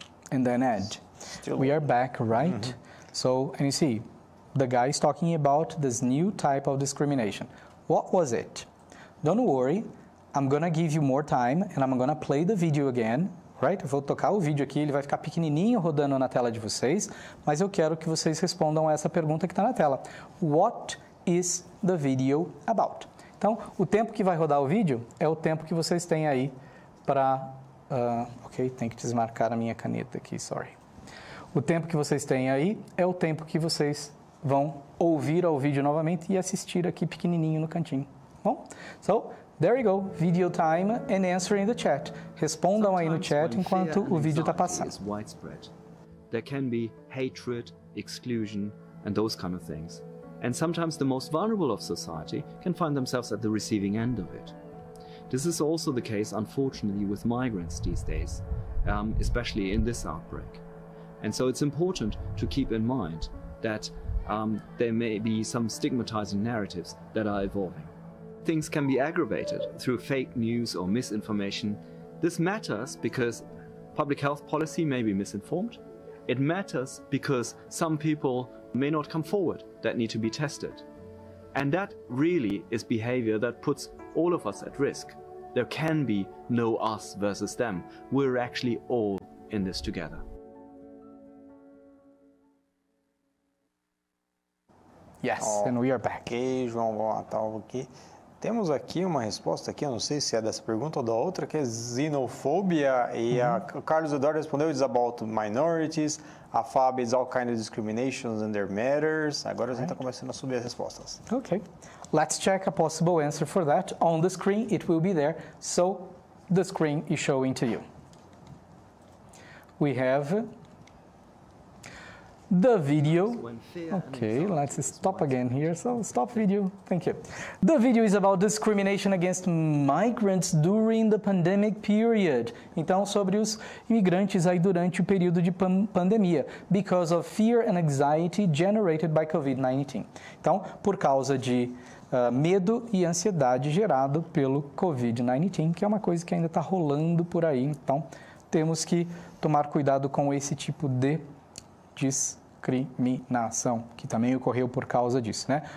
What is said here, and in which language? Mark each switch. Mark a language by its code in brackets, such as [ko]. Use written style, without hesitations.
[en] And then Ed, still we are back, right? Mm-hmm. So, and you see, the guy is talking about this new type of discrimination. What was it? Don't worry, I'm gonna give you more time and I'm gonna play the video again. Right? [pt] Eu vou tocar o vídeo aqui, ele vai ficar pequenininho rodando na tela de vocês, mas eu quero que vocês respondam a essa pergunta que está na tela. [en] What is the video about? [pt] Então, o tempo que vai rodar o vídeo é o tempo que vocês têm aí para... ok, tem que desmarcar a minha caneta aqui, sorry. O tempo que vocês têm aí é o tempo que vocês vão ouvir ao vídeo novamente e assistir aqui pequenininho no cantinho, bom? [en] So, there you go, video time and answering the chat. [pt] Respondam aí no chat enquanto o vídeo está passando. [en] Sometimes when fear and anxiety is widespread, there can be hatred, exclusion and those kind of things. And sometimes the most vulnerable of society can find themselves at the receiving end of it. This is also the case, unfortunately, with migrants these days, especially in this outbreak. And so it's important to keep in mind that there may be some stigmatizing narratives that are evolving. Things can be aggravated through fake news or misinformation. This matters because public health policy may be misinformed. It matters because some people may not come forward that need to be tested. And that really is behavior that puts all of us at risk. There can be no us versus them. We're actually all in this together. Yes, oh, and we are back. [pt] Okay, João, vamos lá, tá aqui. Temos aqui uma resposta aqui, eu não sei se é dessa pergunta ou da outra, que é xenofobia. E o Carlos Eduardo respondeu, [en] it's about minorities. A Fab is all kinds of discriminations and their matters. [pt] Agora a gente está começando a subir as respostas. [en] Okay, let's check a possible answer for that. On the screen, it will be there. So, the screen is showing to you. We have the video. Okay, let's stop again here. So, stop video. Thank you. The video is about discrimination against migrants during the pandemic period. [pt] Então, sobre os imigrantes aí durante o período de pandemia. [en] Because of fear and anxiety generated by COVID-19. [pt] Então, por causa de medo e ansiedade gerado pelo COVID-19, que é uma coisa que ainda está rolando por aí. Então, temos que tomar cuidado com esse tipo de discriminação, que também ocorreu por causa disso, né?